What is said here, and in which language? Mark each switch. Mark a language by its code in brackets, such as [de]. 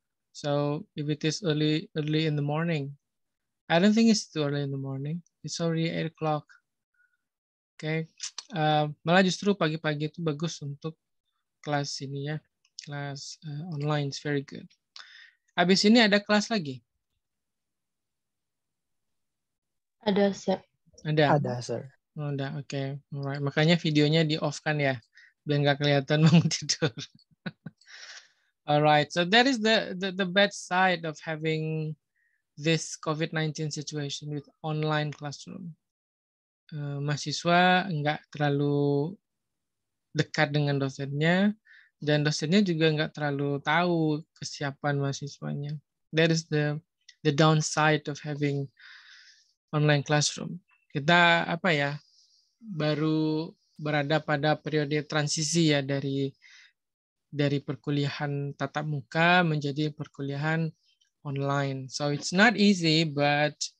[en] So, if it is early in the morning. I don't think it's too early in the morning. It's already 8 o'clock. Okay. [id] Malah justru pagi-pagi itu bagus untuk kelas ini ya. Kelas online [en] is very good. [id] Habis ini ada kelas lagi? Ada, sir. Ada, [en] sir. [id] Oh, ada, okay. Alright. Makanya videonya di-off-kan ya, biar nggak kelihatan mau tidur. [en] Alright, so that is the bad side of having this COVID-19 situation with online classroom. [id] Mahasiswa nggak terlalu dekat dengan dosennya, dan dosennya juga nggak terlalu tahu kesiapan mahasiswanya. [en] That is the downside of having online classroom. [id] Kita baru berada pada periode transisi ya, dari perkuliahan tatap muka menjadi perkuliahan online. [en] So it's not easy, but